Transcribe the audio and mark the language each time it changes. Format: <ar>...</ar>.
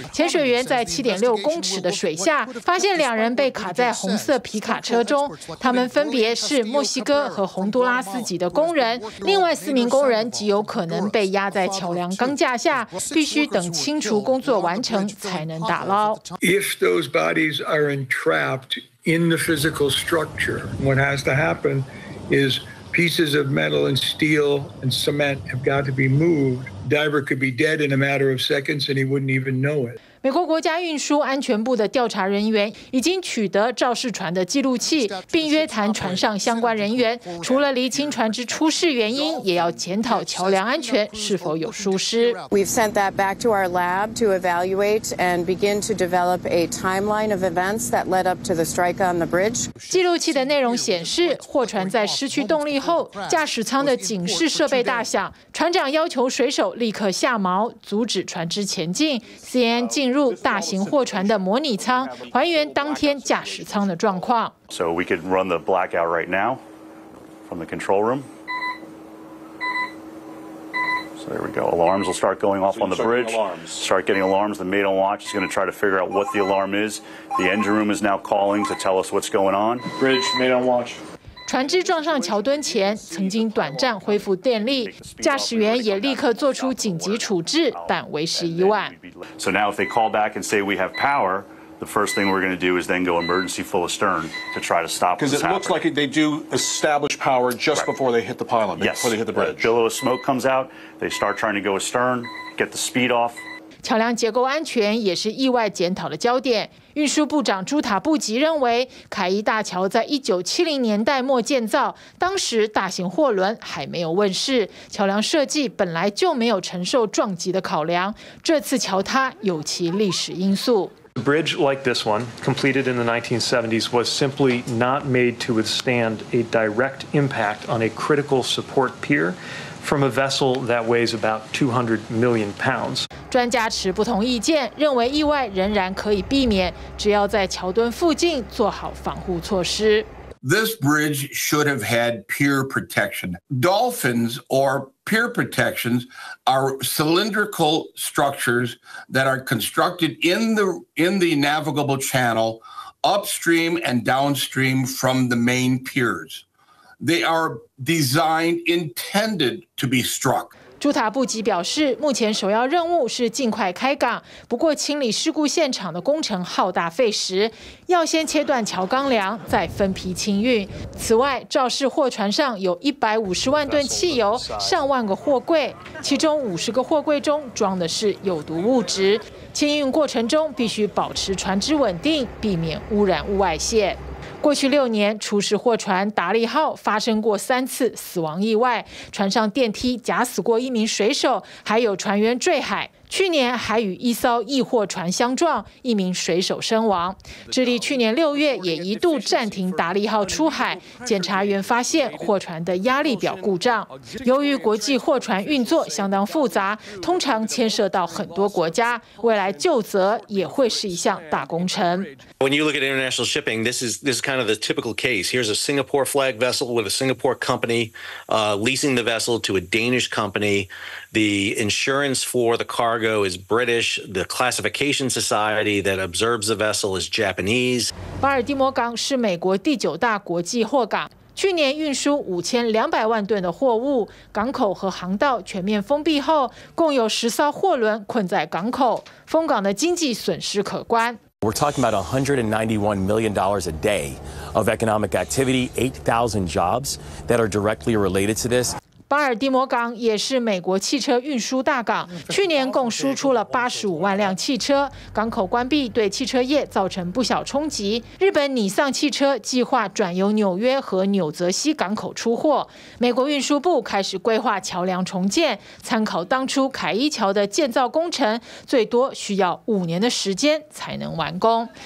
<zh>潜水员在7.6公尺的水下发现两人被卡在红色皮卡车中，他们分别是墨西哥和洪都拉斯籍的工人。另外四名工人极有可能被压在桥梁钢架下，必须等清除工作完成才能打捞。</zh> <en>If those bodies are entrapped in the physical structure, what has to happen? Is pieces of metal and steel and cement have got to be moved. Diver could be dead in a matter of seconds and he wouldn't even know it.</en> <zh>美国国家运输安全部的调查人员已经取得肇事船的记录器，并约谈船上相关人员，除了厘清船只出事原因，也要检讨桥梁安全是否有疏失。</zh> <en>We've sent that back to our lab to evaluate and begin to develop a timeline of events that led up to the strike on the bridge.</en> <zh>记录器的内容显示，货船在失去动力后，驾驶舱的警示设备大响，船长要求水手立刻下锚，阻止船只前进。 CNN进入大型货船的模拟舱，还原当天驾驶舱的状况。</zh> <en>So we could run the blackout right now from the control room. So there we go. Alarms will start going off on the bridge. Start getting alarms. The mate on watch is going to try to figure out what the alarm is. The engine room is now calling to tell us what's going on. Bridge, mate on watch.</en> <zh>船只撞上桥墩前曾经短暂恢复电力，驾驶员也立刻做出紧急处置，但为时已晚。</zh> <en>So now if they call back and say we have power, the first thing we're going to do is then go emergency full astern to try to stop this. Because it looks like they do establish power just before they hit the pylon, before they hit the bridge. A billow of smoke comes out, they start trying to go astern, get the speed off.</en> <zh>桥梁结构安全也是意外检讨的焦点。运输部长朱塔布吉认为，凯伊大桥在1970年代末建造，当时大型货轮还没有问世，桥梁设计本来就没有承受撞击的考量，这次桥塌有其历史因素。</zh> <en>A bridge like this one, completed in the 1970s, was simply not made to withstand a direct impact on a critical support pier from a vessel that weighs about 200 million pounds.</en> <zh>专家持不同意见，认为意外仍然可以避免，只要在桥墩附近做好防护措施。</zh> <en>This bridge should have had pier protection. Dolphins or pier protections are cylindrical structures that are constructed in the navigable channel upstream and downstream from the main piers. They are designed, intended to be struck.</en> <zh>朱塔布吉表示，目前首要任务是尽快开港，不过清理事故现场的工程浩大费时，要先切断桥钢梁，再分批清运。此外，肇事货船上有150万吨汽油，上万个货柜，其中50个货柜中装的是有毒物质，清运过程中必须保持船只稳定，避免污染物外泄。过去6年，出事货船达利号发生过3次死亡意外，船上电梯夹死过一名水手，还有船员坠海。去年还与一艘异货船相撞，一名水手身亡。智利去年6月也一度暂停达利号出海，检察员发现货船的压力表故障。由于国际货船运作相当复杂，通常牵涉到很多国家，未来就责也会是一项大工程。</zh> <en>When you look at international shipping, this is kind of the typical case. Here's a Singapore flag vessel with a Singapore company, leasing the vessel to a Danish company. The insurance for the car Cargo is British. The classification society that observes the vessel is Japanese.</en> <zh>巴尔的摩港是美国第九大国际货港。去年运输5200万吨的货物，港口和航道全面封闭后，共有10艘货轮困在港口，封港的经济损失可观。</zh> <en>We're talking about $191 million a day of economic activity, 8,000 jobs that are directly related to this.</en> <zh>巴尔的摩港也是美国汽车运输大港，去年共输出了85万辆汽车。港口关闭对汽车业造成不小冲击。日本拟丧汽车计划转由纽约和纽泽西港口出货。美国运输部开始规划桥梁重建，参考当初凯伊桥的建造工程，最多需要5年的时间才能完工。</zh>